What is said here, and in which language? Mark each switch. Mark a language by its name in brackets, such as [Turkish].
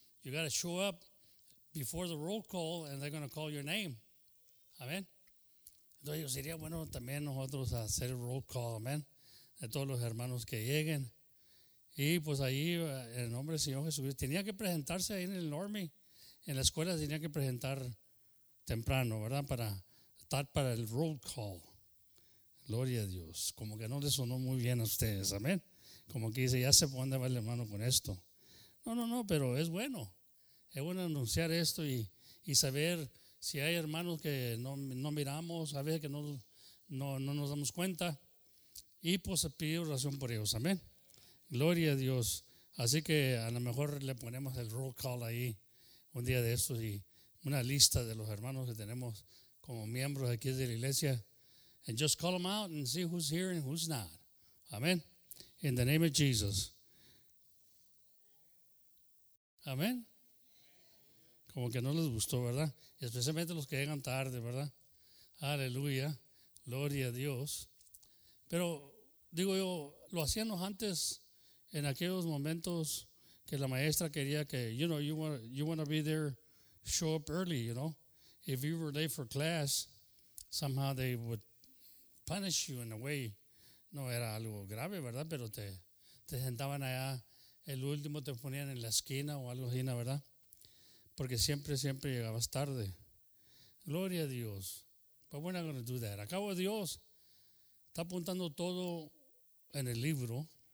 [English] You got to show up before the roll call and they're going to call your name. [Spanish] Amén. Entonces, sería bueno también nosotros hacer roll call, amén, de todos los hermanos que lleguen. Y pues ahí, en el nombre del Señor Jesucristo, tenía que presentarse ahí en el army. En la escuela tenía que presentar temprano, ¿verdad? Para estar para el roll call. Gloria a Dios. Como que no le sonó muy bien a ustedes, amén. Como que dice, ya se pone a ver el hermano con esto. No, pero es bueno. Es bueno anunciar esto y saber si hay hermanos que no miramos, a veces que no nos damos cuenta. Y pues pido oración por ellos. Amén. Gloria a Dios. Así que a lo mejor le ponemos el roll call ahí un día de estos y una lista de los hermanos que tenemos como miembros aquí de la iglesia. [English] And just call them out and see who's here and who's not. Amén. In the name of Jesus. [Spanish] Amén. Como que no les gustó, ¿verdad? Especialmente los que llegan tarde, ¿verdad? Aleluya. Gloria a Dios. Pero, digo yo, lo hacíamos antes en aquellos momentos que la maestra quería que, you know, you want to be there, show up early, you know. [English] If you were late for class, somehow they would punish you in a way. [Spanish] No era algo grave, ¿verdad? Pero te sentaban allá. El último te ponían en la esquina o algo así, ¿verdad? Porque siempre llegabas tarde. Gloria a Dios. [English] But we're not going to do that. [Spanish] Acabo de Dios. Está apuntando todo en el libro.